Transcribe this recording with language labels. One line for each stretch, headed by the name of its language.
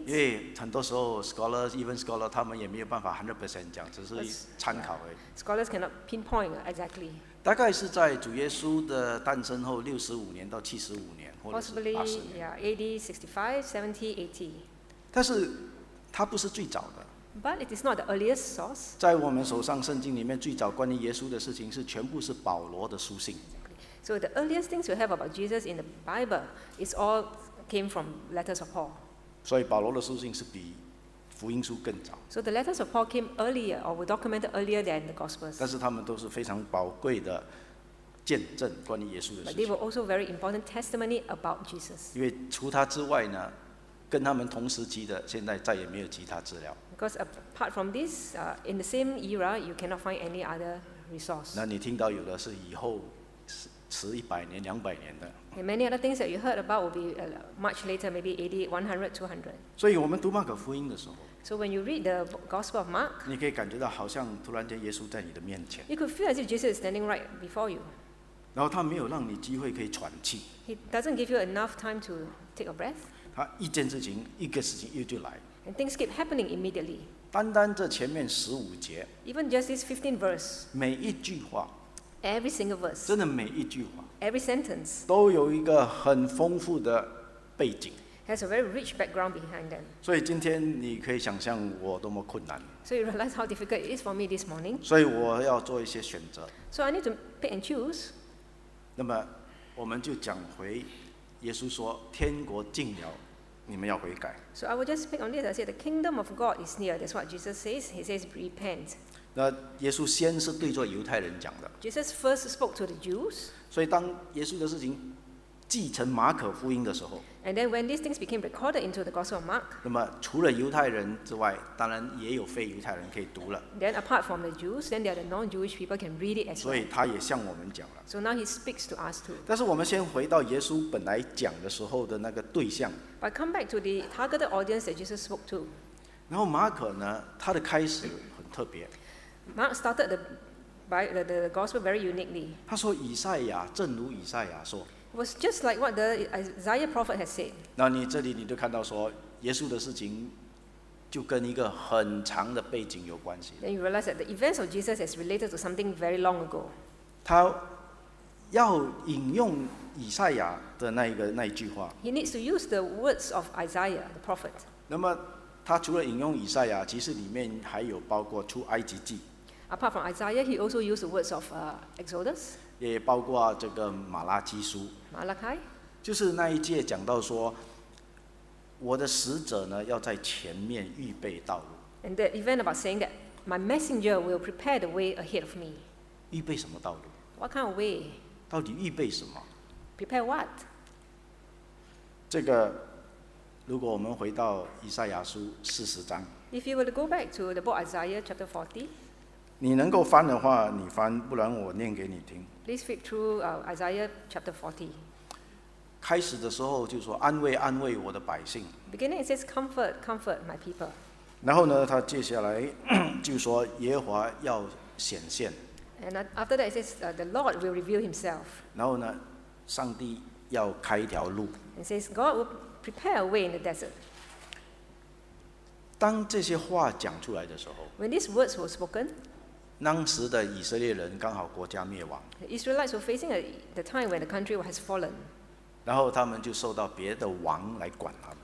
Chinese: 因为很多时候
English: scholars, even scholars,
Chinese: 他们也没有办法 100% 讲，只是参考而已。
English: Scholars cannot pinpoint exactly.
Chinese: 大概是在主耶稣的诞生后65年到75年，或者是80年。
English: Possibly, yeah, A.D. 65, 70, 80.
Chinese: 但是它不是最早的。
English: But it is not the earliest source.
Chinese: 在我们手上圣经里面最早关于耶稣的事情是全部是保罗的书信。
English: So the earliest things we have about Jesus in the Bible is all came from letters of Paul.
Chinese: 所以保罗的书信是比福音书更早。
English: So the letters of Paul came earlier or were documented earlier than the Gospels.
Chinese: 但是他们都是非常宝贵的见证关于耶稣的事情。
English: But they were also very important testimony about Jesus.
Chinese: 因为除他之外呢，跟他们同时期的现在再也没有其他资料。
English: Because apart from this, in the same era, you cannot find any other resource.
Chinese: 那你听到有的是以后迟一百年、两百年的。
English: And many other things that you heard about will be much later, maybe 80, 100, 200.
Chinese: 所以我们读马可福音的时候。
English: So when you read the Gospel of Mark,
Chinese: 你可以感觉到好像突然间耶稣在你的面前。
English: You could feel as if Jesus is standing right before you.
Chinese: 然后他没有让你机会可以喘气。
English: He doesn't give you enough time to take a breath.
Chinese: 他一件事情，一个事情又就来。
English: And things keep happening immediately.
Chinese: 单单这前面十五节。
English: Even just this 15 verse.
Chinese: 每一句话。
English: Every single verse.
Chinese: 真的每一句话。
English: Every sentence.
Chinese: 都有一个很丰富的背景。
English: Has a very rich background behind them.
Chinese: 所以今天你可以想象我多么困难。
English: So you realize how difficult it is for me this morning.
Chinese: 所以我要做一些选择。
English: So I need to pick and choose.
Chinese: 那么我们就讲回耶稣说天国近了，你们要悔改。
English: So I will just pick on this. I say the kingdom of God is near. That's what Jesus says. He says repent.
Chinese: 那耶稣先是对着犹太人讲的。
English: Jesus first spoke to the Jews.
Chinese: 所以当耶稣的事情记成马可福音的时候。
English: And then when these things became recorded into the Gospel of Mark,
Chinese: 那么除了犹太人之外，当然也有非犹太人可以读了。
English: Then apart from the Jews, then there are the non-Jewish people can read it as well.
Chinese: 所以他也向我们讲了。
English: So now he speaks to us too.
Chinese: 但是我们先回到耶稣本来讲的时候的那个对象。
English: But come back to the targeted audience that Jesus spoke to.
Chinese: 然后马可呢，他的开始很特别。
English: Mark started the Gospel very uniquely.
Chinese: 他说以赛亚，正如以赛亚说。
English: Was just like what the Isaiah prophet has said.
Chinese: 那你这里你就看到说，耶稣的事情就跟一个很长的背景有关系。
English: Then you realize that the events of Jesus is related to something very long ago.
Chinese: 他要引用以赛亚的那一句话。
English: He needs to use the words of Isaiah, the prophet.
Chinese: 那么他除了引用以赛亚，其实里面还有包括出埃及记。
English: Apart from Isaiah, he also used the words of Exodus.
Chinese: 也包括这个马拉基书，马拉开，就是那一节讲到说，我的使者呢要在前面预备道路。
English: And the event about saying that my messenger will prepare the way ahead of me.
Chinese: 预备什么道路
English: ？What kind of way？
Chinese: 到底预备什么
English: ？Prepare what？
Chinese: 这个，如果我们回到以赛亚书四十章
English: ，If you were to go back to the book Isaiah chapter 40，
Chinese: 你能够翻的话，你翻，不然我念给你听。
English: Please flip through Isaiah chapter 40.
Chinese: 开始的时候就说安慰安慰我的百姓。
English: Beginning it says comfort comfort my people.
Chinese: 然后呢，他接下来就说耶和华要显现。
English: And after that it says the Lord will reveal Himself.
Chinese: 然后呢，上帝要开一条路。
English: It says God will prepare a way in the desert.
Chinese: 当这些话讲出来的时候
English: ，When these words were spoken.
Chinese: 当时的以色列人刚好国家灭亡。 The Israelites were facing the time when the country has fallen. 然后他们就受到别的王来管他们。